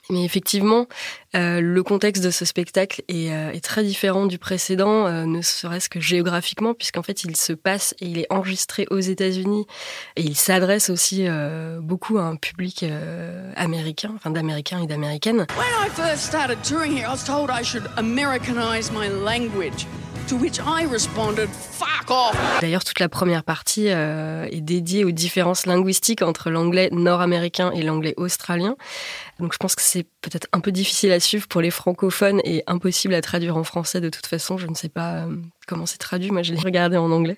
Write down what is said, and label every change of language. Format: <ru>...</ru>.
<fr>Mais effectivement, le contexte de ce spectacle est très différent du précédent, ne serait-ce que géographiquement, puisqu'en fait il se passe et il est enregistré aux États-Unis et il s'adresse aussi beaucoup à un public américain, enfin d'américains et d'américaines.</fr> <en>When I first started touring here, I was told I should Americanize my language. To which I responded, fuck off.</en> <fr>D'ailleurs, toute la première partie est dédiée aux différences linguistiques entre l'anglais nord-américain et l'anglais australien. Donc je pense que c'est peut-être un peu difficile à suivre pour les francophones et impossible à traduire en français de toute façon. Je ne sais pas comment c'est traduit, moi je l'ai regardé en anglais.</fr>